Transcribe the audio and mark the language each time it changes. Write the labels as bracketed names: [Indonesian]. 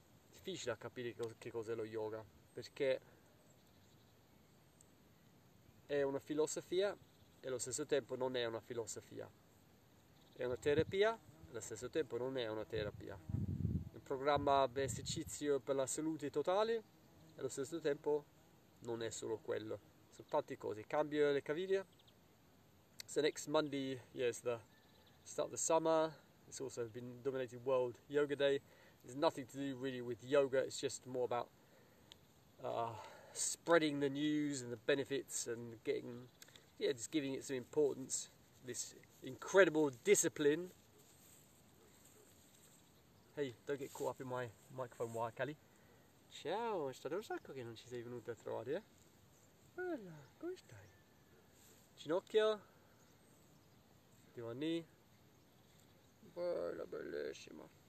[Italian] Difficile a capire che cos'è lo yoga, perché è una filosofia e allo stesso tempo non è una filosofia. È una terapia e allo stesso tempo non è una terapia. Un programma di esercizio per la salute totale e allo stesso tempo non è solo quello. Sono tante cose. Cambio le caviglie. [English] So next Monday, yes, the start of the summer. It's also been dominated World Yoga Day. It's nothing to do really with yoga. It's just more about spreading the news and the benefits and getting, yeah, just giving it some importance. This incredible discipline. Hey, don't get caught up in my microphone wire, Callie. [Italian] Ciao, è stata una sacca che non ci sei venuta a trovare, eh? Bella, come stai? Ginocchio? Divani? Bella, bellissima.